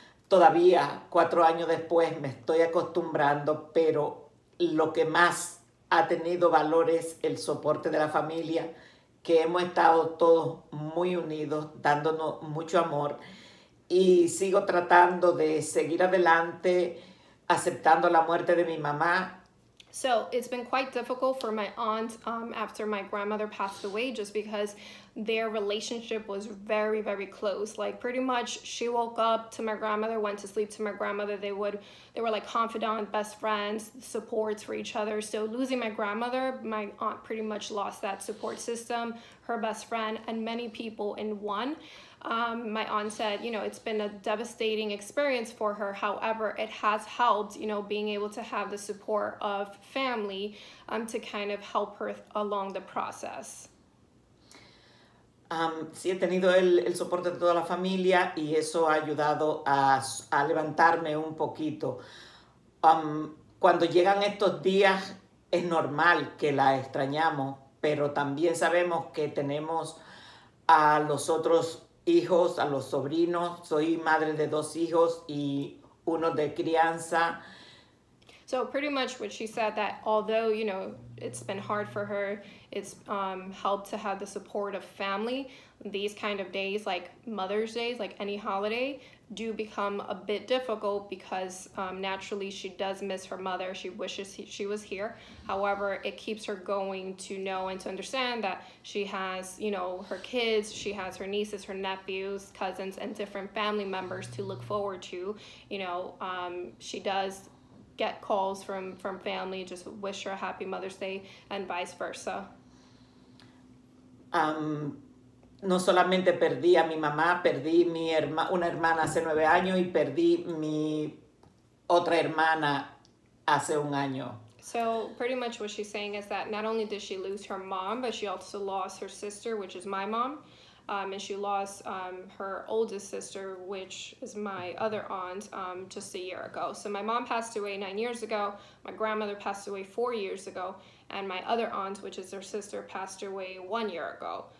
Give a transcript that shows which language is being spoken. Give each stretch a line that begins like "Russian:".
Spanish: Todavía, 4 años después, me estoy acostumbrando, pero lo que más ha tenido valor es el soporte de la familia, que hemos estado todos muy unidos, dándonos mucho amor. Y sigo tratando de seguir adelante, aceptando la muerte de mi mamá.
English: So it's been quite difficult for my aunt after my grandmother passed away, just because their relationship was very, very close. Like pretty much she woke up to my grandmother, went to sleep to my grandmother. They were like confidant, best friends, supports for each other. So losing my grandmother, my aunt pretty much lost that support system, her best friend, and many people in one. My aunt said, you know, it's been a devastating experience for her. However, it has helped, you know, being able to have the support of family to kind of help her along the process.
Spanish: Sí, he tenido el soporte de toda la familia y eso ha ayudado a levantarme un poquito. Cuando llegan estos días, es normal que la extrañamos, pero también sabemos que tenemos a los otros hijos, a los sobrinos. Soy madre de 2 hijos y uno de crianza.
English: So pretty much what she said, that although, you know, it's been hard for her, it's helped to have the support of family. These kind of days, like Mother's Day, like any holiday, do become a bit difficult because naturally she does miss her mother. She wishes she was here. However, it keeps her going to know and to understand that she has, you know, her kids, she has her nieces, her nephews, cousins, and different family members to look forward to. You know, she does get calls from family, just wish her a happy Mother's Day, and vice versa.
Spanish: No solamente perdí a mi mamá, perdí mi una hermana hace 9 años y perdí mi otra hermana hace 1 año.
English: So pretty much what she's saying is that not only did she lose her mom, but she also lost her sister, which is my mom, and she lost her oldest sister, which is my other aunt, just a year ago. So my mom passed away 9 years ago, my grandmother passed away 4 years ago, and my other aunt, which is her sister, passed away 1 year ago.